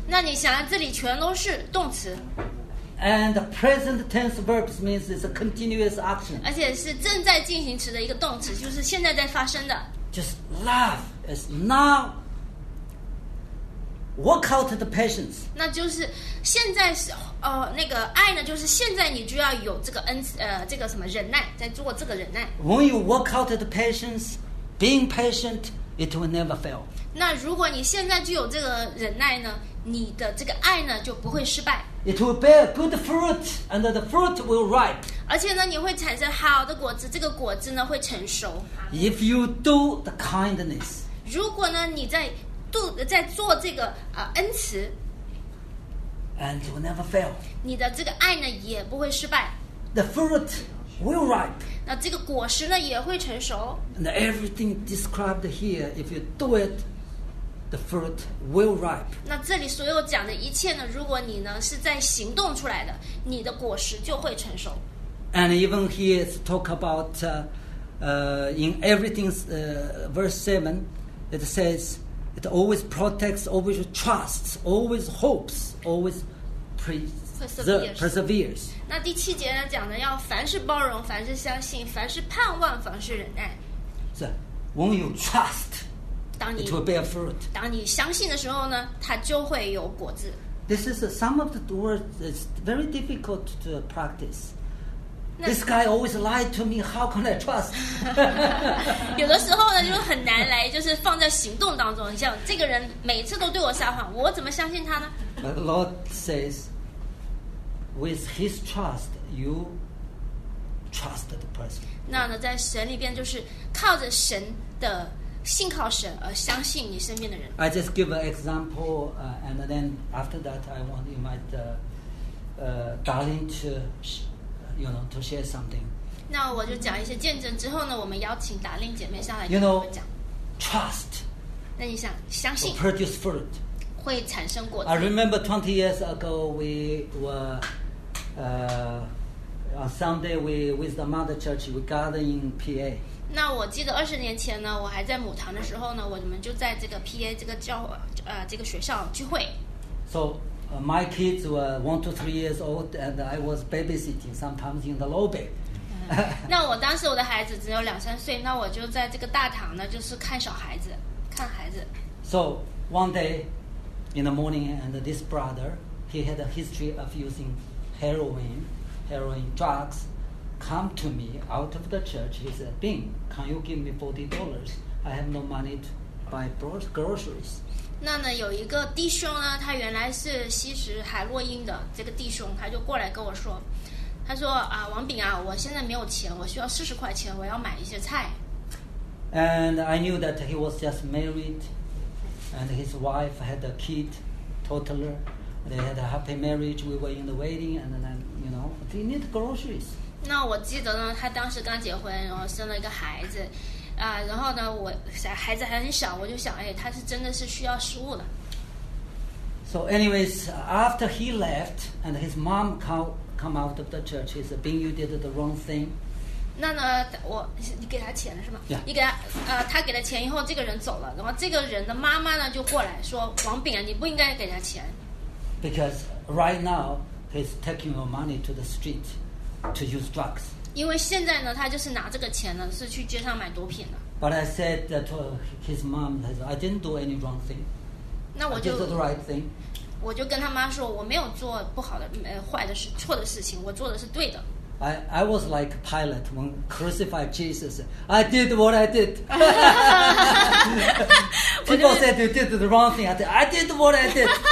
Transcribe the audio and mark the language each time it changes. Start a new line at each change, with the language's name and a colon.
Chinese: 那你想这里全都是动词。
English: And the present tense verbs means it's a continuous action.
Chinese: 而且是正在进行时的一个动词，就是现在在发生的。
English: Just love is now work out the patience.
Chinese: 那就是现在是那个爱呢，就是现在你就要有这个恩这个什么忍耐，在做这个忍耐。
English: When you work out the patience, being patient, it will never fail.
Chinese: 那如果你现在就有这个忍耐呢，你的这个爱呢就不会失败。
English: It will bear good fruit, and the fruit will ripe.
Chinese: 而且呢，你会产生好的果子，这个果子呢会成熟。
English: If you do the kindness.
Chinese: 如果呢，你在在做这个恩慈
English: ，and will never fail.
Chinese: 你的这个爱呢也不会失败。
English: The fruit will ripe.
Chinese: 那这个果实呢也会成熟。
English: And everything described here, if you do it, the fruit will ripe.
Chinese: 那这里所有讲的一切呢，如果你呢是在行动出来的，你的果实就会成熟。
English: And even here, it's talk about in everything, verse 7, it says. It always protects, always trusts, always hopes, always perseveres.
Chinese: 那第七节呢讲的要凡事包容，凡事相信，凡事盼望，凡事忍耐。
English: So, when you trust,
Chinese: 当你
English: it will bear fruit.
Chinese: 当你相信的时候呢，它就会有果子。
English: This is some of the words that's very difficult to practice. This guy always lied to me. How can I trust?
Chinese: 有的时候呢，就是很难来，就是放在行动当中。你像这个人，每次都对我撒谎，我怎么相信他呢
English: ？But Lord says, with His trust, you trust the person.
Chinese: 那呢，在神里边，就是靠着神的信靠神而相信你身边的人。
English: I just give an example, and then after that, I want to invite Darlene to. You know, to share something.
Chinese: 那我就讲一些见证之后呢，我们邀请达令姐妹上来。
English: You know, trust.
Chinese: 那你想相信
English: produce fruit.
Chinese: 会产生果子。
English: I remember 20 years ago, we were on Sunday we with the mother church we gathered in PA.
Chinese: 那我记得二十年前呢，我还在母堂的时候呢，我们就在这个 PA 这个教这个学校聚会。
English: So. My kids were 1 to 3 years old, and I was babysitting sometimes in the lobby.
Chinese: 那我当时我的孩子只有两三岁，那我就在这个大堂呢，就是看小孩子，看孩子。
English: So one day in the morning, and this brother, he had a history of using heroin drugs, come to me out of the church. He said, "Bing, can you give me $40? I have no money to buy groceries."
Chinese: 那呢有一个弟兄呢，他原来是吸食海洛因的这个弟兄，他就过来跟我说，他说啊，王炳啊，我现在没有钱，我需要40块钱，我要买一些菜。
English: And I knew that he was just married, and his wife had a kid, toddler. They had a happy marriage. We were in the waiting, and then you know they need groceries.
Chinese: 那我记得呢，他当时刚结婚，然后生了一个孩子。然后呢，我孩子还很小，我就想，哎，他是真的是需要食物的。
English: So, anyways, after he left and his mom come out of the church, he said, "Bing, you did the wrong thing."
Chinese: 那呢，你给他钱了是吗？
English: Yeah.
Chinese: 你给他他给了钱以后，这个人走了，然后这个人的妈妈呢就过来说，王炳啊，你不应该给他钱。
English: Because right now he's taking your money to the street to use drugs.
Chinese: 因为现在呢，他就是拿这个钱呢，是去街上买毒品的。
English: But I said that to his mom, I said, "I didn't do any wrong thing."
Chinese: 那我就
English: I did the right thing.
Chinese: 我就跟他妈说，我没有做不好的、坏的事、错的事情，我做的是对的。
English: I was like Pilate when crucified Jesus. I did what I did. People said you did the wrong thing. I did what I did.